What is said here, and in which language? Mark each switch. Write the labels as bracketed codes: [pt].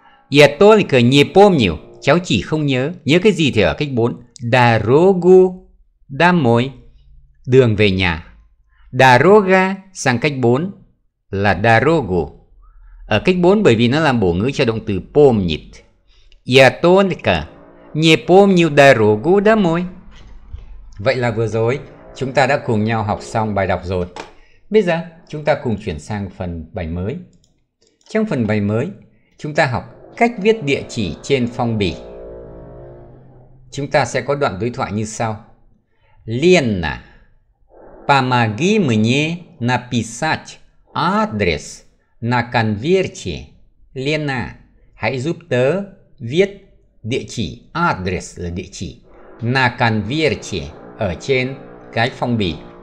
[ru] Я только не помню. [vi] Cháu chỉ không nhớ. Nhớ cái gì thì ở cách 4. [ru] Дорогу домой. [vi] Đường về nhà. Дорога sang cách 4 là дорогу. Ở cách 4 bởi vì nó làm bổ ngữ cho động từ помнить. [ru] Я только не помню дорогу домой. [vi] Vậy là vừa rồi chúng ta đã cùng nhau học xong bài đọc rồi. Bây giờ chúng ta cùng chuyển sang phần bài mới. Trong phần bài mới chúng ta học cách viết địa chỉ trên phong bì. Chúng ta sẽ có đoạn đối thoại như sau. [ru] Лена, помоги мне написать адрес на конверте. [vi] Лена, hãy giúp tớ viết địa chỉ. Адрес là địa chỉ. [ru] На конверте, [vi] ở trên cái phong bì.